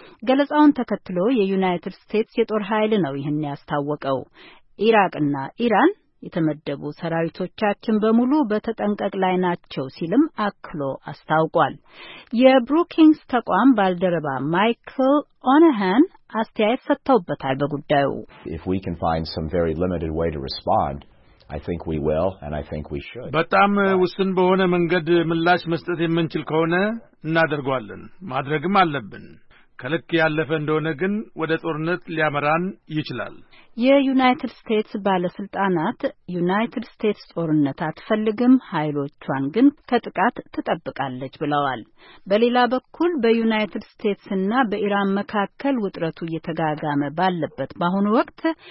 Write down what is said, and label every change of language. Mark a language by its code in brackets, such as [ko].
[am] ገለጻውን ተከትሎ የዩናይትድ ስቴትስ የጦር ኃይል ነው ይህን ያስታወቀው። ኢራቅና ኢራን የተመደቡ ሰራዊቶቻችን በሙሉ በተጠንቀቅ ላይ ናቸው ሲልም አክሎ አስታውቋል። የብሩኪንግስ ተቋም ባልደረባ ማይክል ኦነሃን አስተያየት ሰጥተውበታል በጉዳዩ። [en] If we can find some very limited way to respond, I think we will and I think we should. [am] በጣም ውስን በሆነ መንገድ ምላሽ መስጠት የምንችል ከሆነ እናደርጋለን፣ ማድረግም አለብን። ከልክ ያለፈ እንደሆነ ግን ወደ ጦርነት ሊያመራን ይችላል። የዩናይትድ ስቴትስ ባለስልጣናት ዩናይትድ ስቴትስ ጦርነት አትፈልግም፣ ኃይሎቿን ግን ከጥቃት ትጠብቃለች ብለዋል። በሌላ በኩል በዩናይትድ ስቴትስና በኢራን መካከል ውጥረቱ እየተጋጋመ ባለበት በአሁኑ ወቅት